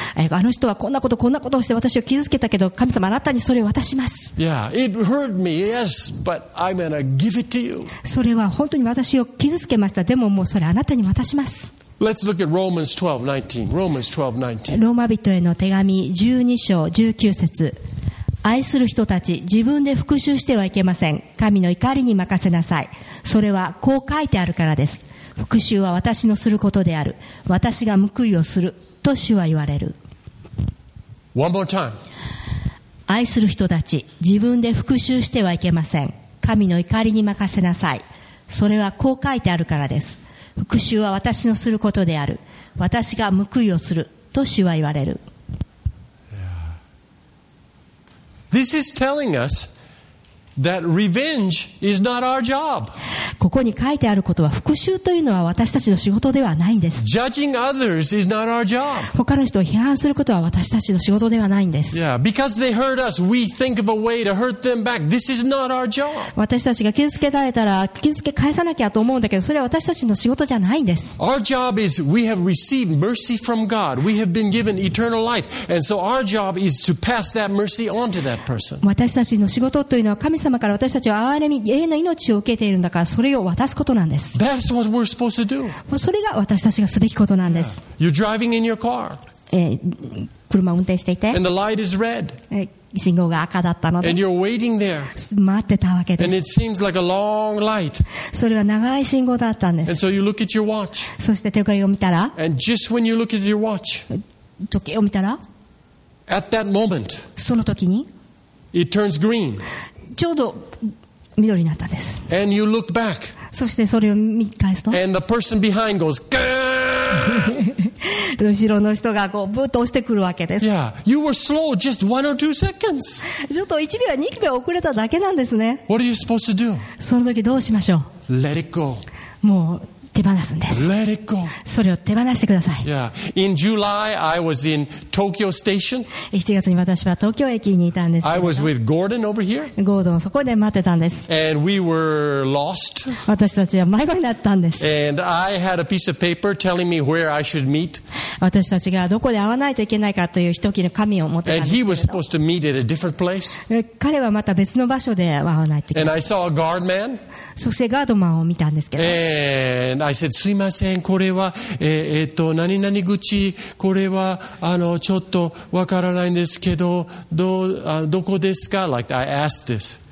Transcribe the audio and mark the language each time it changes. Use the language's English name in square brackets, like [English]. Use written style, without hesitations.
[Japanese] あの人はこんなことこんなことをして私を傷つけたけど神様あなたにそれを私 [English] Yeah, it hurt me, yes, but I'm gonna give it to you. [Japanese] それは本当に私を傷つけました。でももうそれあなたに渡します。 [English] Let's look at Romans 12:19. Romans 12:19. [Japanese] ローマ人への手紙12章19節。愛する人たち、自分で復讐してはいけません。神の怒りに任せなさい。それはこう書いてあるからです。復讐は私のすることである。私が報いをすると主は言われる。 [English] One more time. [Japanese] 愛する人たち、自分で復讐してはいけません。神の怒りに任せなさい。それはこう書いてあるからです。復讐は私のすることである。私が報いをすると主は言われる。 [English] This is telling us that revenge is not our job. [Japanese] ここに書いてあることは復讐というのは私たちの仕事ではないんです。 [English] Judging others is not our job. [Japanese] 他の人を批判することは私たちの仕事ではないんです。 [English] Yeah, because they hurt us, we think of a way to hurt them back. This is not our job. [Japanese] 私たちが傷つけられたら傷つけ返さなきゃと思うんだけど、それは私たちの仕事じゃないんです。 [English] Our job is we have received mercy from God. We have been given eternal life, and so our job is to pass that mercy on to that person. [Japanese] 私たちの仕事というのは神様から私たちは憐れみ、永遠の命を受けているんだから、それを渡すことなんです。 [English] That's what we're supposed to do. [Japanese] それが私たちがすべきことなんです。 [English] Yeah. You're driving in your car. [Japanese] 車を運転していて。 [English] And the light is red. [Japanese] 信号が赤だったので。 [English] And you're waiting there. [Japanese] 待ってたわけです。 [English] And it seems like a long light. [Japanese] それは長い信号だったんです。 [English] And so you look at your watch. [Japanese] そして手紙を見たら。 [English] And just when you look at your watch. [Japanese] 時計を見たら。 [English] At that moment. [Japanese] その時に。 [English] It turns green. [Japanese] ちょうど緑になったんです。 [English] And you look back. [Japanese] そしてそれを見返すと。 [English] And the person behind goes, Gah! [Japanese] 後ろの人がこうブッと押してくるわけです。 [English] Yeah, you were slow just one or two seconds. [Japanese] ちょっと1秒2秒遅れただけなんですね。 [English] What are you supposed to do? [Japanese] その時どうしましょう? [English] Let it go. [Japanese] もう手放すんです。 [English] Let it go. [Japanese] それを手放してください。 [English] Yeah, in July, I was in Tokyo Station. [Japanese] 1月に私は東京駅にいたんです。 [English] I was with Gordon over here. [Japanese] ゴードンそこで待ってたんです。 [English] And we were lost. [Japanese] 私たちは迷子になったんです。 [English] And I had a piece of paper telling me where I should meet. [Japanese] 私たちがどこで会わないといけないかという一切の紙を持ってたんですけど。 [English] And he was supposed to meet at a different place. [Japanese] 彼はまた別の場所で会わないといけない。 [English] And I saw a guard man. [Japanese] そしてガードマンを見たんですけど。 [English] And I said, [Japanese] すいません、これは、何々口、これは、ちょっとわからないんですけど、どこですか? [English] Like, I asked this.